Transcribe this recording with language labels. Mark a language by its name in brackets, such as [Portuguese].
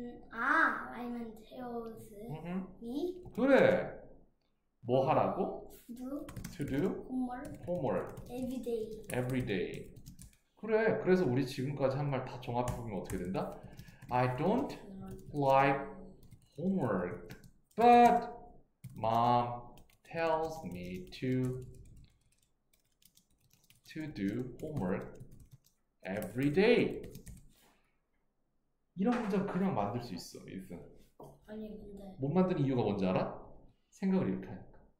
[Korean] 아니면 테오스 미 그래. 뭐 하라고? [English] 두 To do 홈월 homework 에브리데이 every day. 그래. [Korean] 그래서 우리 지금까지 한말다 종합해보면 어떻게 된다? [English] I don't like homework, but mom tells me to do homework every day. [Korean] 이런 문장 그냥 만들 수 있어, 이든. 아니 근데 못 만든 이유가 뭔지 알아? 생각을 이렇게 하니까.